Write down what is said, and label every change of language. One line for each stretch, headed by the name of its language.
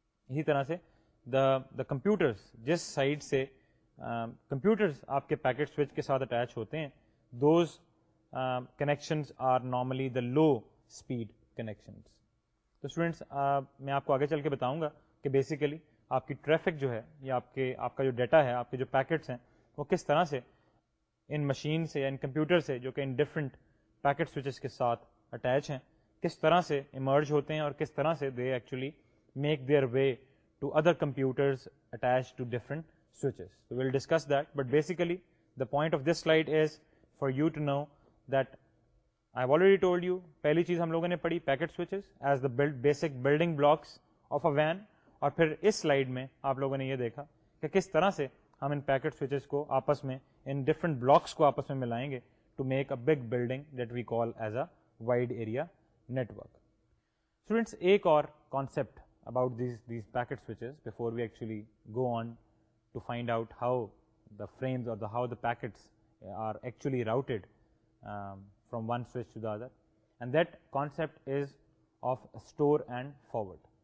Urdu: Ihi tarah se, the computers, jis side se, computers آپ کے packet switch کے ساتھ اٹیچ ہوتے ہیں
English: those connections are normally the low speed connections
Urdu: تو اسٹوڈینٹس میں آپ کو آگے چل کے بتاؤں گا کہ بیسیکلی آپ کی ٹریفک جو ہے یا آپ کا جو ڈیٹا ہے آپ کے جو پیکٹس ہیں وہ کس طرح سے ان مشین سے یا ان کمپیوٹر سے جو کہ ان ڈفرنٹ پیکٹ سوئچز کے ساتھ اٹیچ ہیں کس طرح سے ایمرج ہوتے ہیں اور کس طرح سے
English: They actually make their way to other computers attach to different switches. So we'll discuss that, but basically the point of this slide is for you to know that I've already told you,
Urdu: pehli cheez hum logon ne padhi
English: packet switches as the basic building blocks of a WAN,
Urdu: اور پھر اس slide میں آپ لوگوں نے یہ دیکھا کہ کس طرح سے ہم ان پیکٹ سوئچز کو آپس میں ان ڈفرنٹ بلاکس کو آپس میں ملائیں گے
English: To make a big building that we call as a wide area network. Students ایک اور concept about these packet switches before we actually go on to find out how the frames اور how the packets are actually routed from one switch to the other and that concept is of store and forward.